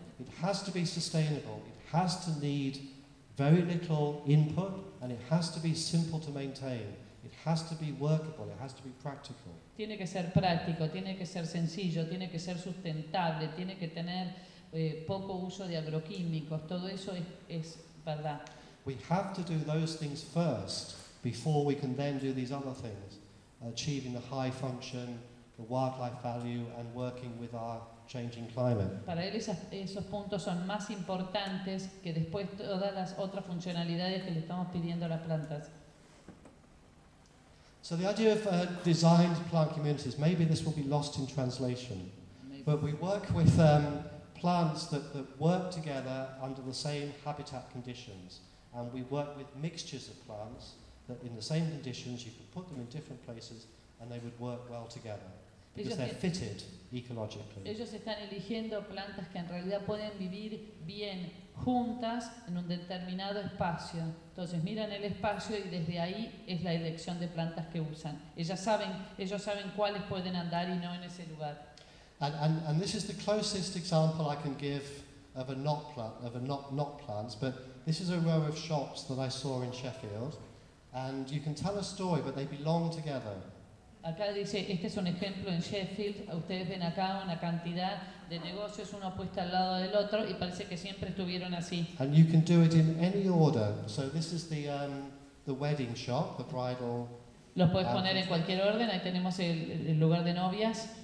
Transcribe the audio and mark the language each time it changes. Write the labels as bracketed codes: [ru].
[en] It has to be sustainable. It has to need very little input and it has to be simple to maintain. It has to be workable. It has to be practical. [es] Tiene que ser práctico, tiene que ser sencillo, tiene que ser sustentable, tiene que tener poco uso de agroquímicos. Todo eso es verdad. [en] We have to do those things first before we can then do these other things, achieving the high function, the wildlife value, and working with our changing climate. [es] Para él esos puntos son más importantes que después todas las otras funcionalidades que le estamos pidiendo a las plantas. [en] So the idea of designed plant communities, maybe this will be lost in translation, maybe. But we work with plants that work together under the same habitat conditions, and we work with mixtures of plants that in the same conditions, you could put them in different places and they would work well together. Because [es] ellos [en] they're fitted ecologically. [es] Ellos están eligiendo plantas que en realidad pueden vivir bien juntas en un determinado espacio. Entonces miran el espacio y desde ahí es la elección de plantas que usan. Ellos saben cuáles pueden andar y no en ese lugar. [en] And this is the closest example I can give of a not plant, of a not plants, but this is a row of shops that I saw in Sheffield, and you can tell a story, but they belong together. [es] Acá dice, este es un ejemplo en Sheffield, ustedes ven acá una cantidad de negocios, uno puesto al lado del otro, y parece que siempre estuvieron así. [en] And you can do it in any order. So this is the wedding shop, the bridal... [es] Los puedes poner en cualquier orden, ahí tenemos el lugar de novias.